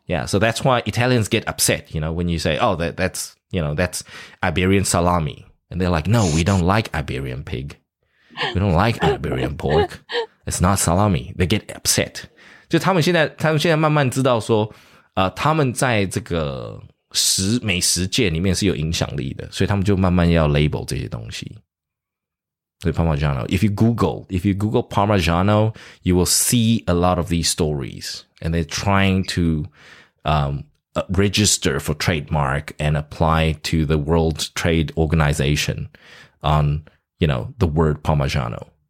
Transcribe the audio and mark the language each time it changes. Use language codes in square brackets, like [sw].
[en] ，Yeah， so that's why Italians get upset, you know, when you say, oh, that's, you know, that's Iberian salami, and they're like, no, we don't like Iberian pig, we don't like Iberian pork, it's not salami. They get upset. [zh] 就他们现在慢慢知道说，他们在这个美食界里面是有影响力的，所以他们就慢慢要 label 这些东西。 [en] 对 Parmigiano， if you Google Parmigiano， you will see a lot of these stories and they're trying to register for trademark and apply to the World Trade Organization on, you know, the word Parmigiano、